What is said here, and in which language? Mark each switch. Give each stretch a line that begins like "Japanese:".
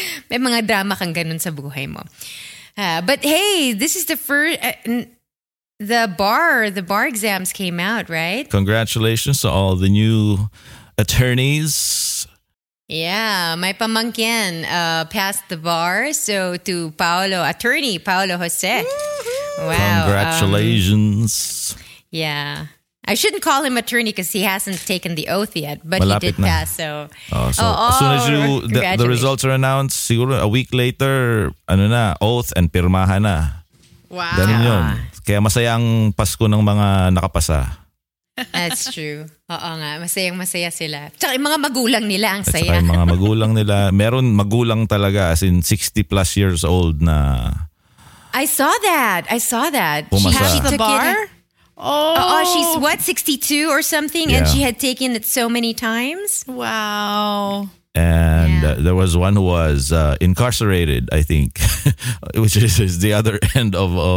Filipino: May mga drama kang ganun sa buhay mo.
English: But hey, this is the first... The bar exams came out, right? Congratulations to all the new attorneys. Yeah, my pamangkin passed the bar. So to Paolo, attorney Paolo Jose. Woo-hoo! Wow. Congratulations. Yeah. I shouldn't call him attorney because he hasn't taken the oath yet, but malapit he did na. Pass. So, as soon as the results are announced,
Filipino: siguro
English: a week later, ano na, oath and
Filipino: pirmahan na.
English: Wow.
Filipino: Ganun yun. Kaya masaya ang Pasko ng mga nakapasa.
English: That's true.
Filipino: Oo nga. Masayang-masaya sila. Tsaka yung mga magulang nila ang saya. Tsaka yung mga magulang nila. Meron magulang talaga
English: as in 60 plus years old
Filipino: na...
English: I saw that.
Filipino: Pumasa.
English: She has the bar? Oh, she's what? 62 or something? Yeah. And she had taken it so many times? Wow. And there was one who was incarcerated, I think, which is the other end of